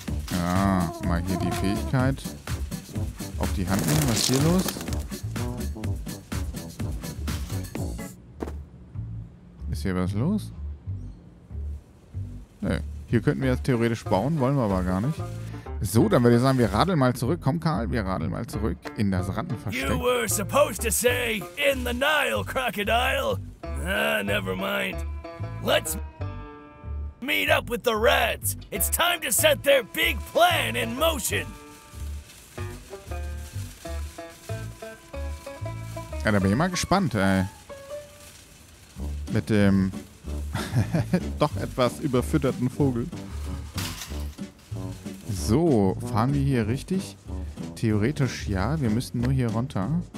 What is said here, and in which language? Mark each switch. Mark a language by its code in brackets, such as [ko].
[de] Ja, mal hier die Fähigkeit auf die Hand nehmen. Was ist hier los? Ist hier was los? Nö. Hier könnten wir jetzt theoretisch bauen, wollen wir aber gar nicht. So, dann würde ich sagen, wir radeln mal zurück. Komm, Karl, wir radeln mal zurück in das Rattenversteck. [en] You were supposed to say, in the Nile, Crocodile. Ah, never mind. Let's meet up with the rats. It's time to set their big plan in motion. [de] Ja, da bin ich mal gespannt, ey. Mit dem doch etwas überfütterten Vogel. So, fahren wir hier richtig? Theoretisch ja, wir müssten nur hier runter.